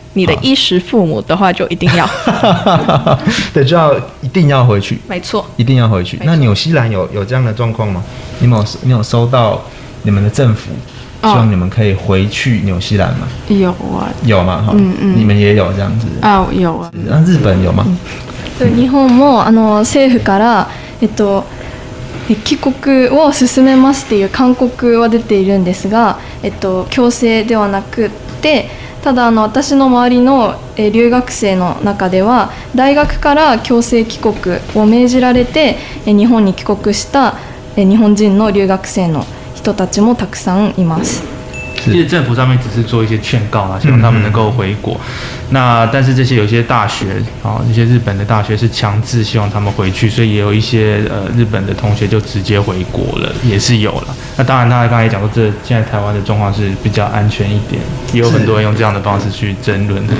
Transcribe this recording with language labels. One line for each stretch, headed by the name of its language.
Chinese: 你的衣食父母的话就一定要，对，就要一定要回去，没错，一定要回去。那纽西兰有这样的状况吗？你有收到你们的政府希望你们可以回去纽西兰吗？有啊，有吗？你们也有这样子啊？有啊。那日本有吗？
Japanese: 日本も政府から帰国を勧めますっていう勧告は出ているんですが、強制ではなくて、ただ私の周りの留学生の中では大学から強制帰国を命じられて日本に帰国した日本人の留学生の人たちもたくさんいます。
Chinese: 其实政府上面只是做一些劝告啦，希望他们能够回国。那但是这些有些大学啊，一些日本的大学是强制希望他们回去，所以也有一些日本的同学就直接回国了，也是有了。那当然，他刚才讲说，这现在台湾的状况是比较安全一点，也有很多人用这样的方式去争论的。